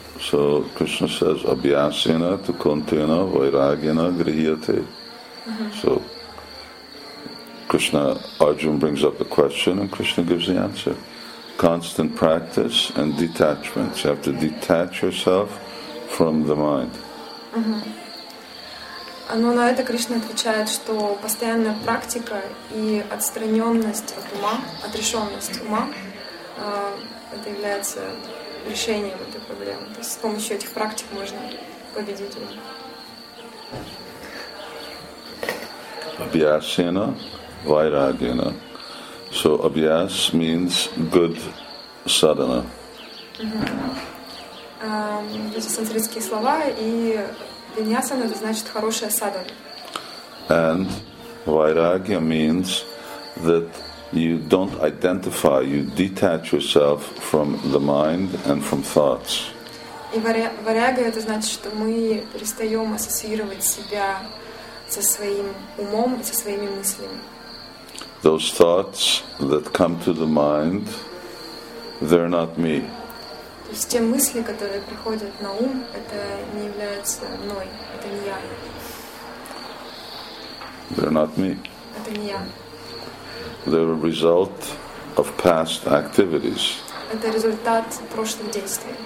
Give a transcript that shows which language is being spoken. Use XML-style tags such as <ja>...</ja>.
<en>So Krishna says</en> <sa>abhyasena tu kuntena vairagena grihyate.</sa> <en>So Krishna, Arjuna brings up a question and Krishna gives the answer. Constant practice and detachment. You have to detach yourself from the mind.</en> <ru>Но на это Кришна отвечает, что постоянная практика и отстраненность от ума, отрешенность ума, это является решением этой проблемы. То есть с помощью этих практик можно победить ум.</ru> <en>Абьясена, вайрагена. So abhyas means good sadhana.</en> <ru>Это санскритские слова, и vinyasana это значит хорошая садхана.</ru> <en>And Vairagya means that you don't identify, you detach yourself from the mind and from thoughts.</en> <ru>И варяга это значит, что мы перестаем ассоциировать себя со своим умом, со своими мыслями.</ru> <en>Those thoughts that come to the mind, they're not me.</en> <ru>То есть те мысли, которые приходят на ум, это не являются мной, это не я.</ru> <en>They're not me.</en> <ru>Это не я.</ru> <en>They're a result of past activities.</en> <ru>Это результат прошлых действий.</ru>